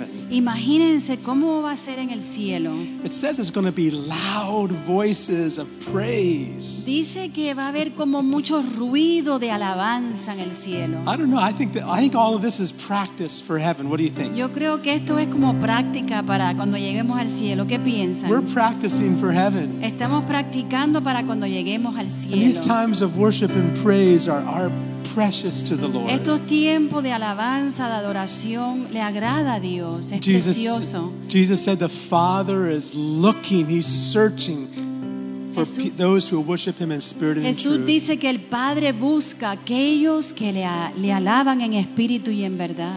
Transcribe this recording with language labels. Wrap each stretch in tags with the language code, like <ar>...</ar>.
<es>Imagínense cómo va a ser en el cielo.</es> <en>It says it's going to be loud voices of praise.</en> <es>Dice que va a haber como mucho ruido de alabanza en el cielo.</es> <en>I don't know. I think all of this is practice for heaven. What do you think?</en> <es>Yo creo que esto es como práctica para cuando lleguemos al cielo. ¿Qué piensan?</es> <en>We're practicing for heaven.</en> <es>Estamos practicando para cuando lleguemos al cielo.</es> <en>And these times of worship and praise are precious to the Lord.</en> <es>Estos tiempos de alabanza, de adoración, le agrada a Dios. Es precioso.</es> <en>Jesus said the Father is looking, he's searching for those who worship him in spirit and</en> <es>Jesús</es> <en>in truth.</en> <es>Dice que el Padre busca aquellos que le alaban en espíritu y en verdad.</es>